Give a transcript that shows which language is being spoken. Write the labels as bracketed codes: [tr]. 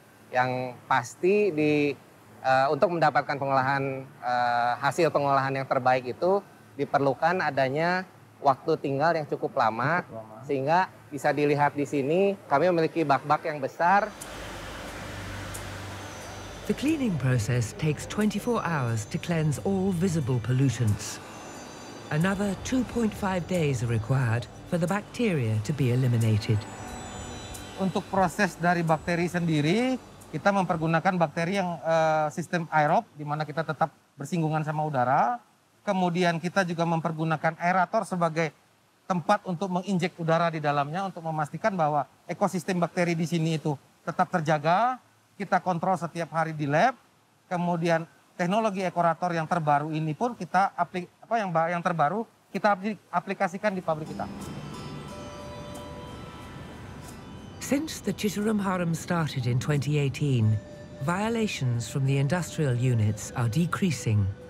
[id] Yang pasti di untuk mendapatkan pengolahan hasil pengolahan yang terbaik itu diperlukan adanya waktu tinggal yang cukup lama, sehingga bisa dilihat di sini kami memiliki bak-bak yang besar. [en] The cleaning process takes 24 hours to cleanse all visible pollutants. Another 2.5 days are required for the bacteria to be eliminated. [id] Untuk proses dari bakteri sendiri, kita mempergunakan bakteri yang sistem aerob, di mana kita tetap bersinggungan sama udara. Kemudian kita juga mempergunakan aerator sebagai tempat untuk menginjek udara di dalamnya untuk memastikan bahwa ekosistem bakteri di sini itu tetap terjaga. Kita kontrol setiap hari di lab. Kemudian teknologi ekorator yang terbaru ini pun kita aplikasikan di pabrik kita. [en] Since the Citarum Harum started in 2018, violations from the industrial units are decreasing.